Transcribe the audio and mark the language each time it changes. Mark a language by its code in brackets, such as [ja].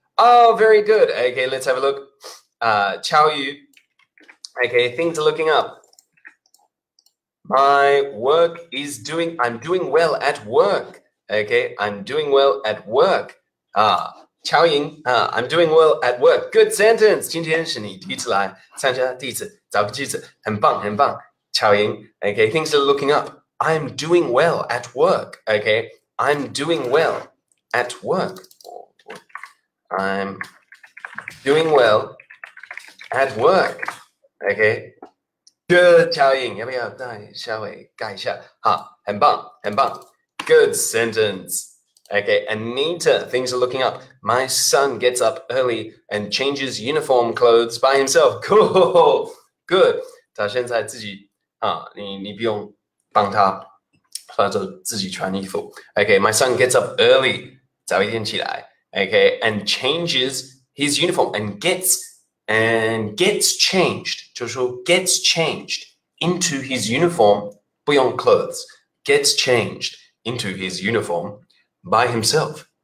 [en] Oh, very good. Okay, let's have a look. Chao Yu. Okay, things are looking up. My work is doing... I'm doing well at work. Okay, I'm doing well at work. 乔莹、I'm doing well at work. Good sentence. [zh] 今天是你第一次来参加第一次找个句子，很棒很棒。 [en] 乔莹 ，OK, things are looking up. I'm doing well at work. OK, I'm doing well at work. I'm doing well at work. OK, good. [zh] 乔莹，要不要再稍微改一下？好，很棒很棒。 [en] Good sentence. Okay, Anita, things are looking up. My son gets up early and changes uniform clothes by himself. Cool, good. [zh] 他现在自己、你不用帮他，他就自己穿衣服。 [en] Okay, my son gets up early, [zh] 早一点起来。 [en] Okay, and changes his uniform and gets changed. [zh] 就是说 [en] gets changed into his uniform, [zh] 不用 [en] clothes, gets changed into his uniform. By himself.